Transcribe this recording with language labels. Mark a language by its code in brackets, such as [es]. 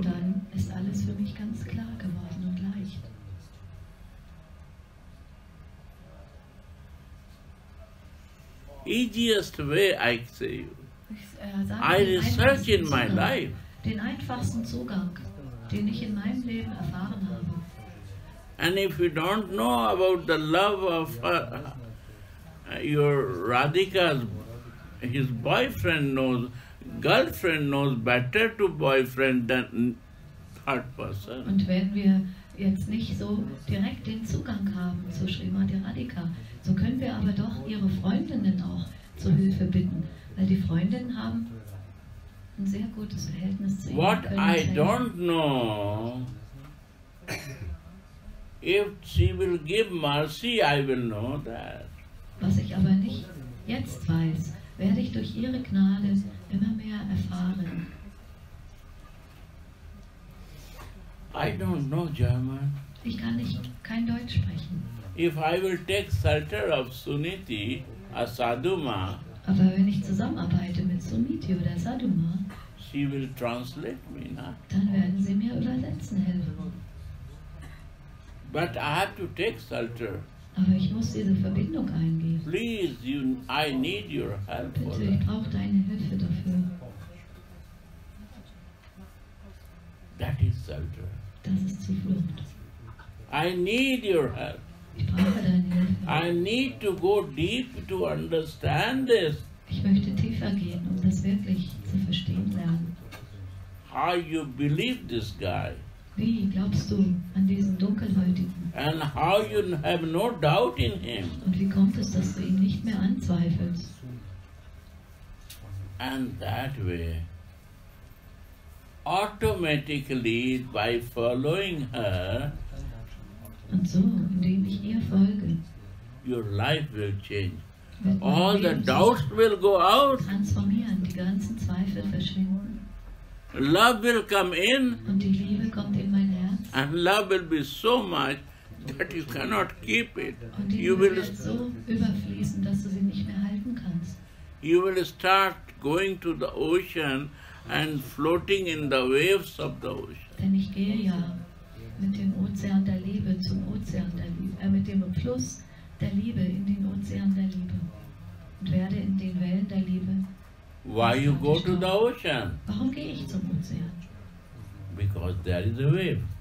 [de] Und dann ist alles für mich ganz klar geworden und leicht. [en] Easiest way, I say you. I research in my life. [de] Den einfachsten Zugang, den ich in meinem Leben erfahren habe. [en] And if you don't know about the love of your Radhika's, his boyfriend knows, girlfriend knows better to boyfriend than third person. [de] Und wenn wir jetzt nicht so direkt den Zugang haben zu Srimati Radhika, so können wir aber doch ihre Freundinnen auch zu Hilfe bitten, weil die Freundinnen haben ein sehr gutes Verhältnis zu ihr. [en] What I don't know, if she will give mercy, I will know that. [de] Was ich aber nicht jetzt weiß, werde ich durch ihre Gnade immer mehr erfahren. [en] I don't know German. [de] Ich kann nicht kein Deutsch sprechen. [en] If I will take shelter of Suniti, a Saduma, [de] aber wenn ich zusammenarbeite mit Suniti oder Saduma, [en] she will translate me, na? [de] Dann werden sie mir übersetzen helfen. [en] But I have to take shelter. [de] Aber ich muss diese Verbindung eingehen. [en] Please, you, I need your help. [de] Bitte, ich brauche deine Hilfe dafür. [en] That is shelter. [de] Das ist Zuflucht. [en] I need your help. I need to go deep to understand this. [de] Ich möchte tiefer gehen, um das wirklich zu verstehen lernen. [en] How you believe this guy? [de] Wie glaubst du an diesen Dunkelhäutigen? [en] And how you have no doubt in him? [de] Und wie kommt es, dass du ihn nicht mehr anzweifelst? [en] And that way, automatically by following her, [de] und so, indem ich ihr folge, [en] your life will change. All the doubts will go out. [de] Transformieren, die ganzen Zweifel verschwinden. [en] Love will come in. [de] Und die Liebe kommt in mein Herz. [en] And love will be so much that you cannot keep it. [de] Und die [en] you [de] will so überfließen, dass du sie nicht mehr halten kannst. [en] You will start going to the ocean and floating in the waves of the ocean. [de] Denn ich gehe ja mit dem Ozean der Liebe zum Ozean der Liebe, mit dem Fluss der Liebe in den Ozean der Liebe und werde in den Wellen der Liebe. [en] Why you go to the ocean? [de] Warum gehe ich zum Ozean? [en] Because there is a wave.